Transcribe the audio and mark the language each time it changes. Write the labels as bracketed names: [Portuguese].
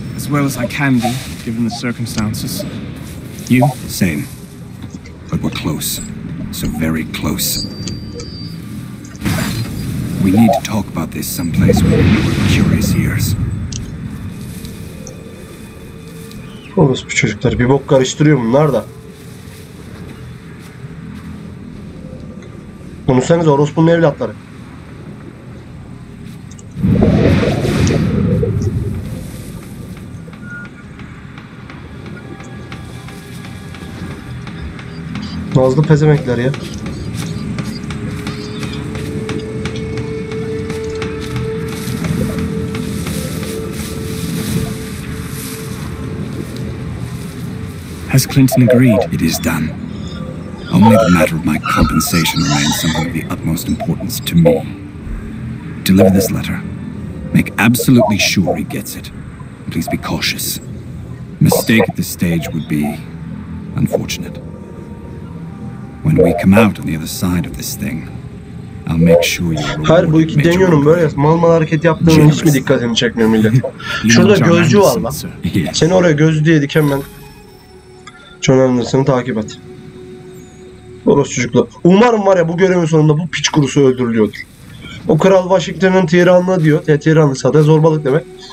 [English] As well as I can be, given the circumstances. You? Same. But we're close. So very close. We need to talk about this someplace with your curious ears. [Turkish] Oğlum bu çocuklar bir bok karıştırıyor, bunlar da. Konuşsanız orospunun evlatları. Nazlı pezemekler ya. [English] Has Clinton agreed? It is done. Only the matter of my compensation remains something of the utmost importance to me. Deliver this letter. Make absolutely sure he gets it. Please be cautious. Mistake at this stage would be unfortunate. When we come out on the other side of this thing, I'll make sure you. [Turkish] Hayır, bu iki deniyorum böyle mal mal hareket yaptığını hiç mi dikkatini çekmiyor millet? Şurada gözcü var lan. Seni oraya gözcü diye diken ben. John Anderson'ı takip et. Oros çocuklar. Umarım var ya bu görevin sonunda bu piç kurusu öldürülüyordur. O kral Washington'ın tiranına diyor. Ya tiranlısa da zorbalık demek.